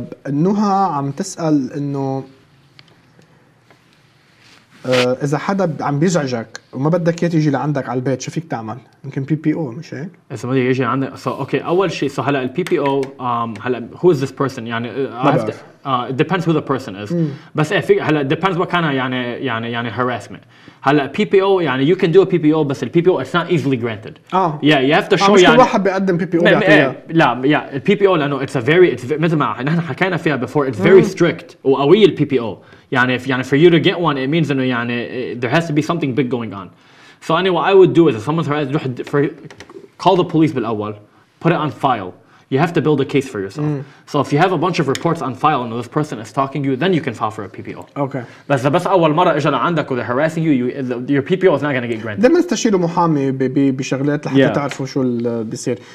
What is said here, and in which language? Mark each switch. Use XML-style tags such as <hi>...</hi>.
<ar>نهى عم تسأل إنه إذا حدا عم بيزعجك وما بدك إياه يجي لعندك على البيت شو فيك تعمل؟ يمكن PPO مش هيك؟ إذا ما بدك يجي لعندك</ar> <en>so, okay,</en> <ar>أول شيء so, هلا PPO هلا</ar> <en>who is this person</en> <ar>يعني عرفت</ar> <en>it depends who the person is</en> <ar>بس إيه في هلا</ar> <en>depends what kind of يعني harassment هلا PPO يعني you can do a PPO</en> <ar>بس ال</ar> <en>PPO it's not easily granted yeah you have to show</en> <ar>مش كل واحد بيقدم PPO</ar> <en>لا yeah ال PPO لأنه it's a very it's</en> <ar>مثل ما نحن حكينا فيها</ar> <en>before it's very strict</en> <ar>وقوي ال</ar> <en>PPO يعني if يعني for you to get one it means إنه يعني there has to be something big going on so anyway what I would do is if someone's harassed call the police</en> <ar>بالأول</ar> <en>put it on file You have to build a case for yourself. So if you have a bunch of reports on file and this person is talking to you, then you can file for a PPO. Okay. But the best</en> <ar>أول مرة إجا لعندك</ar> <en>وthey're harassing you, your PPO is not going to get granted.</en> <ar>دايما استشيروا محامي بشغلات لحتى تعرفوا شو بيصير.</ar>